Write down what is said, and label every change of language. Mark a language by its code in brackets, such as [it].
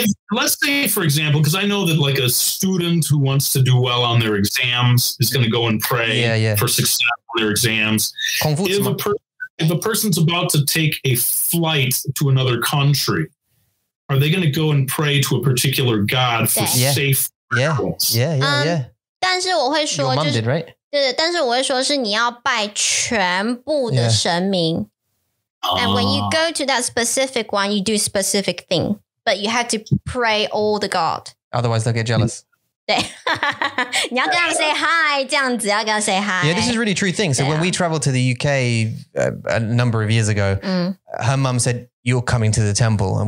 [en] Let's say, for example, because I know that like a student who wants to do well on their exams is going to go and pray for success on their exams. If a person's about to take a flight to another country, are they going to go and pray to a particular god for safe travels? Yeah. [zh] 但是我会说, [en] Your mom did, right? [zh] 对，但是我会说是你要拜全部的神明。 [en] And when you go to that specific one, you do specific thing. But you have to pray all the god. Otherwise they'll get jealous. [zh] 对。你要跟他们 [en] say hi, [zh] 这样子要跟他 say hi. [en] Yeah, this is a really true thing. So when we traveled to the UK a number of years ago, her mom said, you're coming to the temple.